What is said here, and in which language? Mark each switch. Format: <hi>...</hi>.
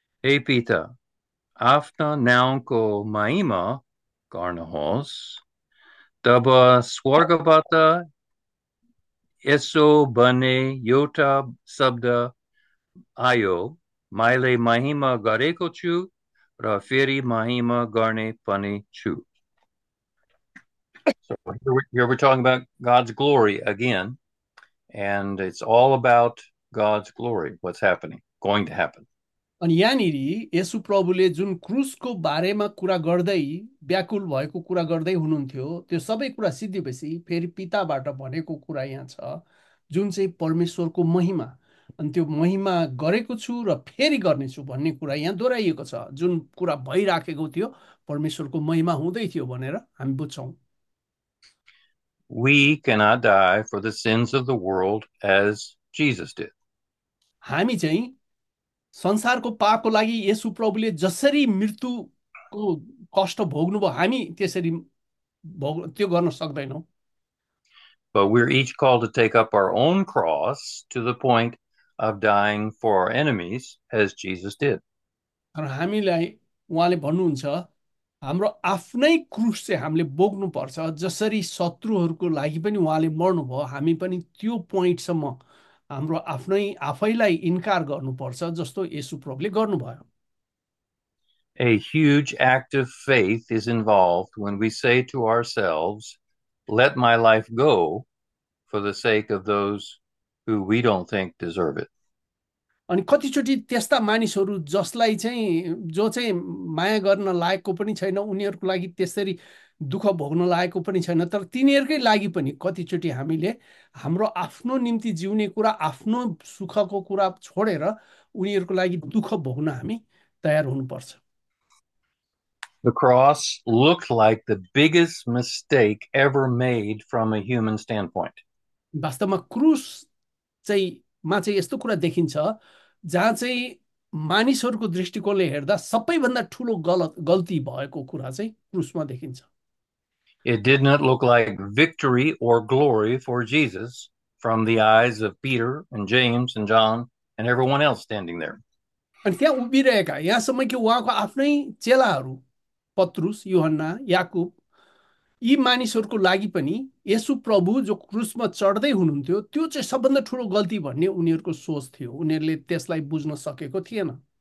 <ne>ए पिता आफ्ना नाउँको महिमा गर्नुहोस्, तब स्वर्गबाट यसो भन्ने एउटा शब्द आयो, मैले महिमा गरेको छु र फेरि महिमा गर्ने पनि छु.</ne> <en>So here we're talking about God's glory again, and it's all about God's glory, what's happening, going to happen.</en> <ne>अनि यहाँनिर येशु प्रभुले जुन क्रुसको बारेमा कुरा गर्दै व्याकुल भएको कुरा गर्दै हुनुहुन्थ्यो, त्यो सबै कुरा सिद्धिएपछि फेरि पिताबाट भनेको कुरा यहाँ छ, जुन चाहिँ परमेश्वरको महिमा, अनि त्यो महिमा गरेको छु र फेरि गर्नेछु भन्ने कुरा यहाँ दोहोऱ्याइएको छ, जुन कुरा भइराखेको थियो परमेश्वरको महिमा हुँदै थियो भनेर हामी बुझ्छौँ.</ne> <en>We cannot die for the sins of the world as Jesus did.</en> <ne>हामी चाहिँ संसारको पापको लागि येशु प्रभुले जसरी मृत्युको कष्ट भोग्नुभयो, हामी त्यसरी त्यो गर्न सक्दैनौँ.</ne> <en>But we're each called to take up our own cross to the point of dying for our enemies as Jesus did.</en> <ne>र हामीलाई उहाँले भन्नुहुन्छ हाम्रो आफ्नै क्रुस चाहिँ हामीले बोक्नुपर्छ, जसरी शत्रुहरूको लागि पनि उहाँले मर्नुभयो, हामी पनि त्यो पोइन्टसम्म हाम्रो आफ्नै आफैलाई इन्कार गर्नुपर्छ, जस्तो येशु प्रभुले गर्नुभयो.</ne> <en>A huge act of faith is involved when we say to ourselves, let my life go for the sake of those who we don't think deserve it.</en> <ne>अनि कतिचोटि त्यस्ता मानिसहरू जसलाई चाहिँ जो चाहिँ माया गर्न लायकको पनि छैन, उनीहरूको लागि त्यसरी दुःख भोग्न लायकको पनि छैन, तर तिनीहरूकै लागि पनि कतिचोटि हामीले हाम्रो आफ्नो निम्ति जिउने कुरा, आफ्नो सुखको कुरा छोडेर उनीहरूको लागि दुःख भोग्न हामी तयार हुनुपर्छ.</ne> <en>The cross looked like the biggest mistake ever made from a human standpoint.</en> <ne>वास्तवमा क्रुस चाहिँ मा चाहिँ यस्तो कुरा देखिन्छ जहाँ चाहिँ मानिसहरूको दृष्टिकोणले हेर्दा सबैभन्दा ठुलो गल्ती भएको कुरा चाहिँ क्रुसमा देखिन्छ.</ne> <en>It did not look like victory or glory for Jesus from the eyes of Peter and James and John and everyone else standing there.</en> <ne>अनि त्यहाँ उभिरहेका यहाँसम्म कि उहाँको आफ्नै चेलाहरू पत्रुस, युहन्ना, याकुब यी मानिसहरूको लागि पनि येशु प्रभु जो क्रुसमा चढ्दै हुनुहुन्थ्यो त्यो चाहिँ सबभन्दा ठुलो गल्ती भन्ने उनीहरूको सोच थियो, उनीहरूले त्यसलाई बुझ्न सकेको थिएन.</ne>